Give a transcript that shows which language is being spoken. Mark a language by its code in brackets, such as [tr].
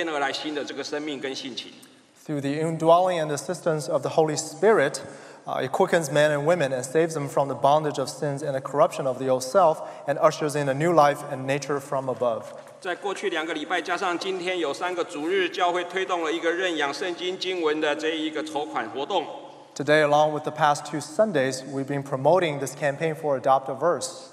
[zh] 透过圣灵的内住，帮助使人重生得救，不要再被罪所困，然后可以脱离老我的败坏，有了从天而来新的这个生命跟性情。Through [en] the indwelling and assistance of the Holy Spirit, it quickens men and women and saves them from the bondage of sins and the corruption of the old self, and ushers in a new life and nature from above. [zh] 在过去两个礼拜，加上今天有三个主日，教会推动了一个认养圣经经文的这一个筹款活动。 [en] Today, along with the past two Sundays, we've been promoting this campaign for Adopt a Verse.